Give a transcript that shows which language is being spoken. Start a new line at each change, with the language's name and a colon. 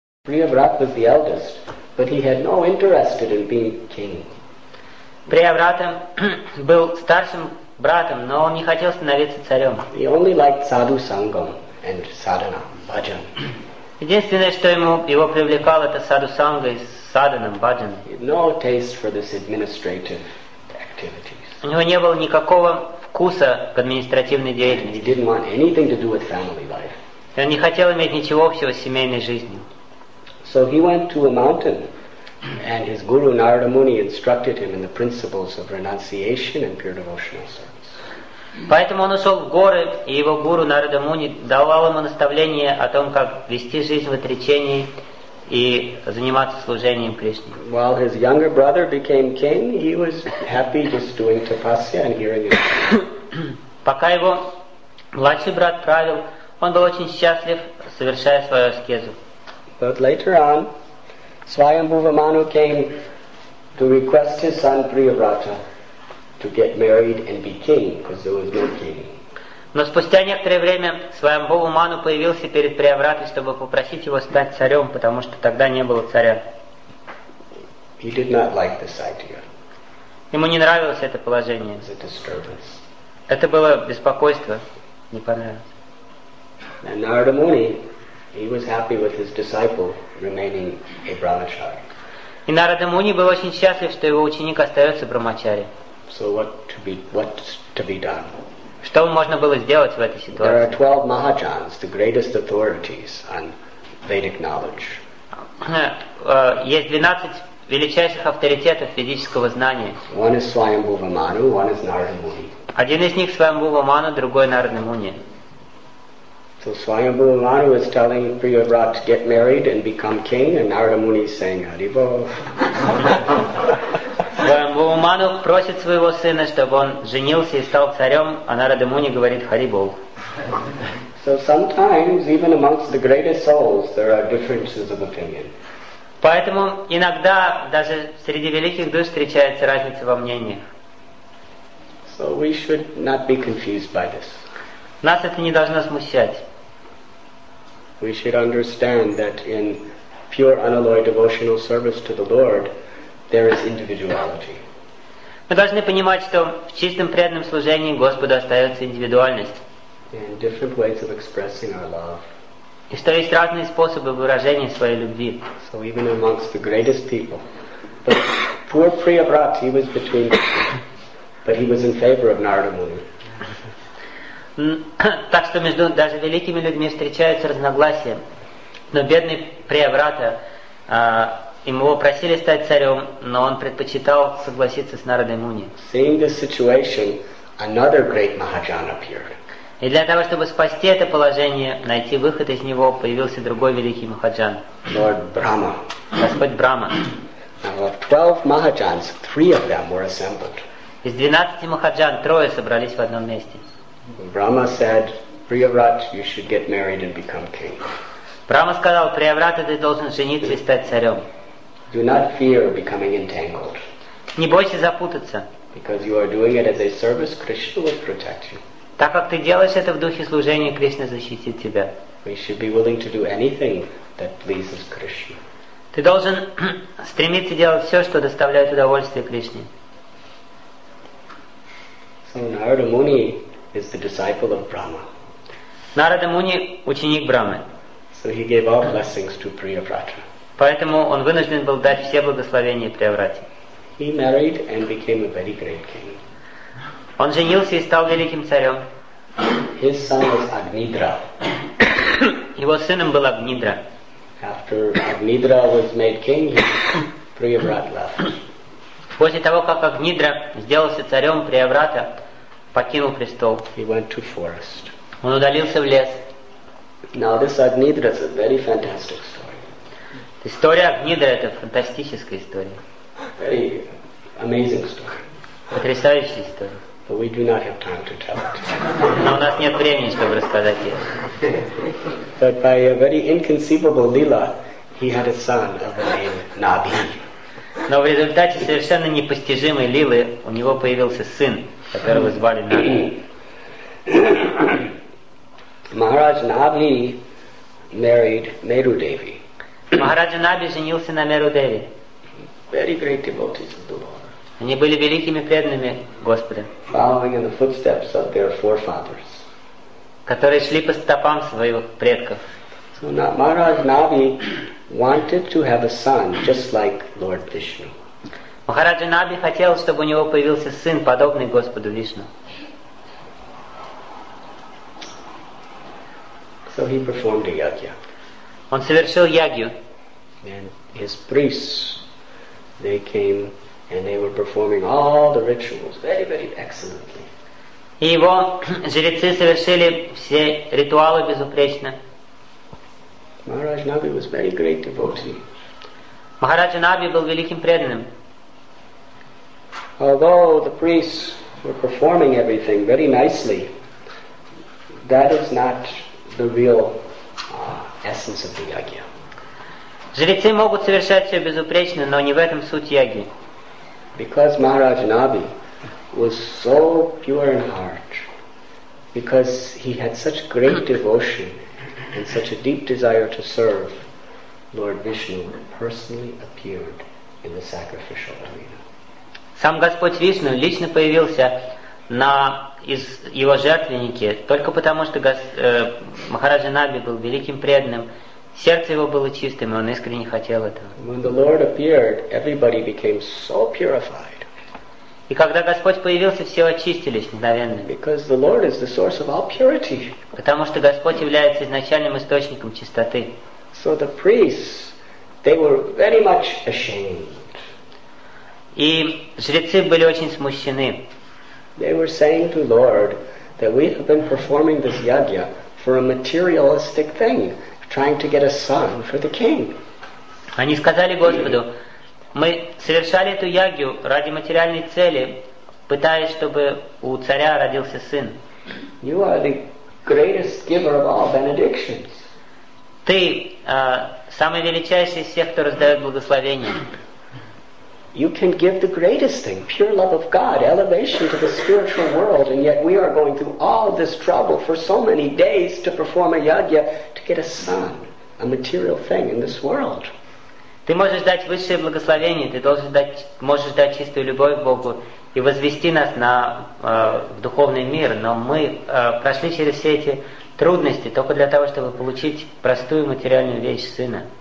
English: Priyavrat was the eldest, but he had no interest in being king.
Russian: Priyavrat был старшим братом, но он не хотел становиться царем.
English: He only liked sadhu sangam and sadhana, bhajan.
Russian: Единственное, что его привлекало, это sadhu sangha и sadhana, bhajan.
English: He had no taste for this administrative activities.
Russian: У него не было никакого вкуса к административной деятельности.
English: He didn't want anything to do with family life.
Russian: И он не хотел иметь ничего общего с семейной жизнью.
English: So he went to a mountain, and his guru Narada Muni instructed him in the principles of renunciation and pure devotional service.
Russian: Поэтому он ушел в горы, и его гуру Нарада Муни давал ему наставление о том, как вести жизнь в отречении и заниматься служением Кришне.
English: While his younger brother became king, he was happy just doing tapasya and hearing it.
Russian: Пока его младший брат правил, он был очень счастлив, совершая свою аскезу.
English: But later on, Swayambhu Vamanu came to request his son Priyavrata to get married and be king, because there was no king.
Russian: Но спустя некоторое время Свайамбху Ману появился перед Приявратой, чтобы попросить его стать царем, потому что тогда не было царя.
English: He did not like this idea.
Russian: Ему не нравилось это положение.
English: It was a disturbance.
Russian: Это было беспокойство. Не понравилось.
English: And Narada Muni, he was happy with his disciple remaining a brahmachari.
Russian: И Нарада Муни был очень счастлив, что его ученик остается брахмачари.
English: So what to be done?
Russian: Что можно было сделать в этой ситуации?
English: There are 12 Mahajans, the greatest authorities on Vedic knowledge.
Russian: Есть 12 величайших авторитетов ведического знания.
English: One is Swayambhu Vamanu, one is Narada Muni.
Russian: Один из них Свайамбху Ваману, другой Нарада Муни.
English: So Swayambhu Vamanu is telling Priyavrat to get married and become king, and Narada Muni is saying, Haribo.
Russian: Свайамбху Ману просит своего сына, чтобы он женился и стал царем, а Нарада Муни говорит Харибол.
English: So sometimes even amongst the greatest souls there are differences of opinion.
Russian: Поэтому иногда даже среди великих душ встречается разница во мнениях.
English: So we should not be confused by this.
Russian: Нас это не должно смущать.
English: We should understand that in pure unalloyed devotional service to the Lord there is individuality.
Russian: Мы должны понимать, что в чистом преданном служении Господу остается индивидуальность.
English: And different ways of expressing our love.
Russian: И что есть разные способы выражения своей любви.
English: So even amongst the greatest people, but poor Priyavrat, he was between the two, but he was in favor of Narada Muni.
Russian: Так что между даже великими людьми встречаются разногласия, но бедный Приявратта, его просили стать царем, но он предпочитал согласиться с Нарадой Муни.
English: Seeing this situation, another great Mahajan appeared.
Russian: И для того, чтобы спасти это положение, найти выход из него, появился другой великий Махаджан.
English: Lord Brahma.
Russian: Господь Брахма.
English: Now of 12 Mahajans, 3 of them were assembled.
Russian: Из 12 Махаджан трое собрались в одном месте.
English: Brahma said, Priyavrat, you should get married and become king.
Russian: Brahma сказал, Priyavrat, ты должен жениться и стать царем.
English: Do not fear becoming entangled.
Russian: Не бойся запутаться.
English: Because you are doing it as a service, Krishna will protect you.
Russian: Так как ты делаешь это в духе служения, Кришна защитит тебя.
English: We should be willing to do anything that pleases Krishna.
Russian: Ты должен стремиться делать все, что доставляет удовольствие Кришне.
English: So Narada Muni is the disciple of Brahma.
Russian: Narada Muni ученик Брахмы.
English: So he gave all blessings to Priyavrata.
Russian: Поэтому он вынужден был дать все благословения Приявратте.
English: He married and became a very great king.
Russian: Он женился и стал великим царем.
English: His son was Agnidra.
Russian: Его сыном был Агнидра.
English: After Agnidra was made king, Priyavrata left.
Russian: После того, как Агнидра сделался царем, Приявратта покинул престол.
English: He went to forest.
Russian: Он удалился в лес.
English: Now this Agnidra is a very fantastic story.
Russian: История Агнидры это фантастическая история.
English: Very amazing story.
Russian: Потрясающая история.
English: But we do not have time to tell it.
Russian: Но у нас нет времени, чтобы рассказать ее.
English: But by a very inconceivable lila, he had a son of the name Nabhi.
Russian: Но в результате совершенно непостижимой лилы у него появился сын, которого звали Набхи.
English: Maharaj Nabhi married Meru Devi.
Russian: Махараджа Наби женился на Меру Деви.
English: Very great devotees of the Lord.
Russian: Они были великими преданными Господа.
English: Following in the footsteps of their forefathers.
Russian: Которые шли по стопам своих предков.
English: So now Maharaj Nabi wanted to have a son just like Lord Vishnu.
Russian: Махараджа Наби хотел, чтобы у него появился сын, подобный Господу Вишну.
English: So he performed a yagya.
Russian: Он совершил ягью.
English: And his priests, they came and they were performing all the rituals very, very excellently.
Russian: И его жрецы совершили все ритуалы безупречно.
English: Maharaj Nabi was very great devotee.
Russian: Махараджа Наби был великим преданным.
English: Although the priests were performing everything very nicely, that is not the real essence of the yagya.
Russian: Жрецы могут совершать все безупречно, но не в этом суть яги.
English: Because Maharaj Nabi was so pure in heart, because he had such great devotion and such a deep desire to serve, Lord Vishnu personally appeared in the sacrificial arena.
Russian: Сам Господь Вишну лично появился на из его жертвенники только потому, что Махараджа Наби был великим преданным, сердце его было чистым, и он искренне хотел этого.
English: When the Lord appeared, everybody became so purified.
Russian: И когда Господь появился, все очистились мгновенно.
English: Because the Lord is the source of all purity.
Russian: Потому что Господь является изначальным источником чистоты.
English: So the priests, they were very much ashamed.
Russian: И жрецы были очень смущены.
English: They were saying to Lord that we have been performing this yagya for a materialistic thing, trying to get a son for the king.
Russian: Они сказали Господу: мы совершали эту ягью ради материальной цели, пытаясь, чтобы у царя родился сын.
English: You are the greatest giver of all benedictions.
Russian: Ты самый величайший из всех, кто раздает благословения.
English: You can give the greatest thing, pure love of God, elevation to the spiritual world, and yet we are going through all this trouble for so many days to perform a yagya to get a son, a material thing in this world.
Russian: Ты можешь дать высшее благословение, ты должен дать, можешь дать чистую любовь к Богу и возвести нас на духовный мир, но мы прошли через все эти трудности только для того, чтобы получить простую материальную вещь сына.